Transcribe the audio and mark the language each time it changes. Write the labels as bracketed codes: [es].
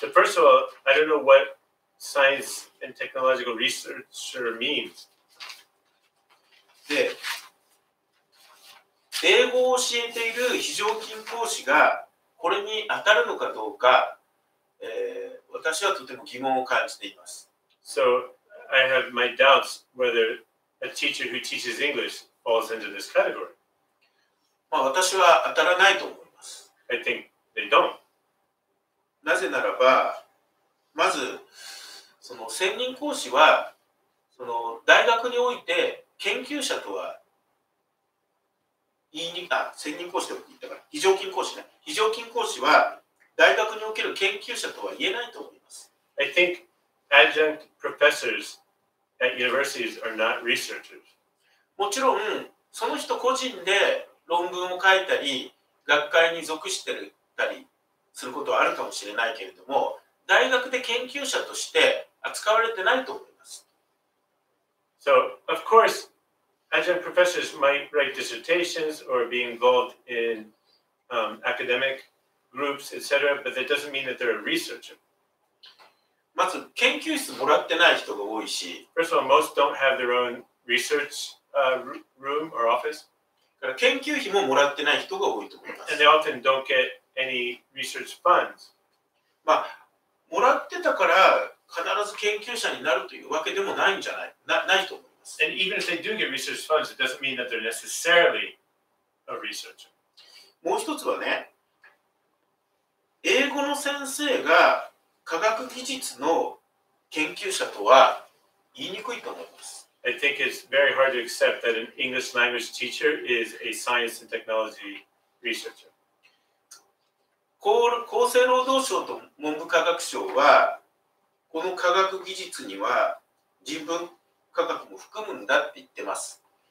[en] The first of all, I don't know what science and technological researcher means. [ja] で、英語を教えている非常勤講師がこれに当たるのかどうか、私はとても疑問を感じています。 [en] So, I have my doubts whether a teacher who teaches English falls into this category. [ja] まあ私は当たらないと思います。 [en] I think they don't. [ja] なぜならば、まず、その専任講師は、その大学において研究者とは言いにくい、専任講師でも言ったから、非常勤講師ね。非常勤講師は、大学における研究者とは言えないと思います。 [en] I think adjunct professors at universities are not researchers. [ja] もちろん、その人個人で論文を書いたり、学会に属してたりすることはあるかもしれないけれども、大学で研究者として扱われてないと思います。 [en] So, of course, adjunct professors might write dissertations or be involved in academic groups, etc., but that doesn't mean that they're a researcher. [ja] まず、研究室もらってない人が多いし、 [en] First of all, most don't have their own research room or office. [ja] だから研究費ももらってない人が多いと思います。 [en] And they often don't get any research funds. [ja] まあ、もらってたから必ず研究者になるというわけでもないんじゃない、ないと思います。 [en] And even if they do get research funds, it doesn't mean that they're necessarily a researcher. [ja] もう一つはね、英語の先生が科学技術の研究者とは言いにくいと思います。 [en] I think it's very hard to accept that an English language teacher is a science and technology researcher. [ja] 厚生労働省と文部科学省は、この科学技術には人文科学も含むんだって言ってます。